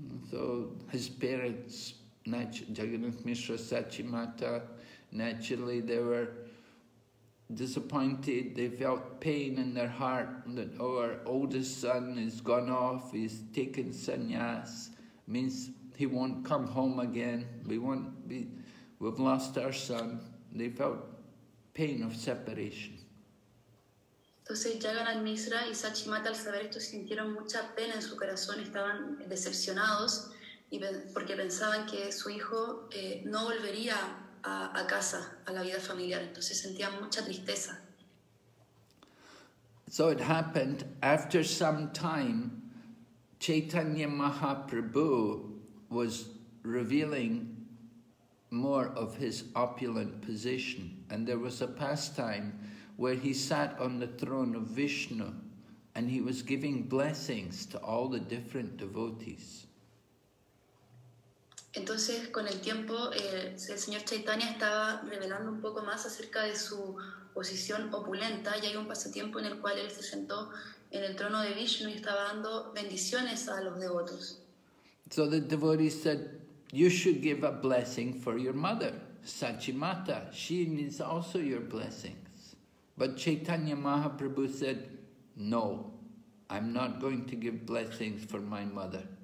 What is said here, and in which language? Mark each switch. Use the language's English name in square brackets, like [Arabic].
[English] So his parents, Jagannath Mishra Sachimata, naturally they were disappointed, they felt pain in their heart that our oldest son has gone off, he's taken sannyas, means he won't come home again, we've lost our son. They felt pain of separation. [Spanish] Entonces Jagannath Misra y Sachimata al saber esto sintieron mucha pena en su corazón, estaban decepcionados y porque pensaban que su hijo no volvería a casa, a la vida familiar. Entonces sentían mucha tristeza. [English] So it happened, after some time, Chaitanya Mahaprabhu was revealing more of his opulent position. And there was a pastime where he sat on the throne of Vishnu and he was giving blessings to all the different devotees. [Spanish] Entonces, con el tiempo, el señor Chaitanya estaba revelando un poco más acerca de su posición opulenta y hay un pasatiempo en el cual él se sentó en el trono de Vishnu y estaba dando bendiciones a los devotos. [English] So the devotees said, you should give a blessing for your mother, Sachimata. She needs also your blessings. But Chaitanya Mahaprabhu said, no, I'm not going to give blessings for my mother.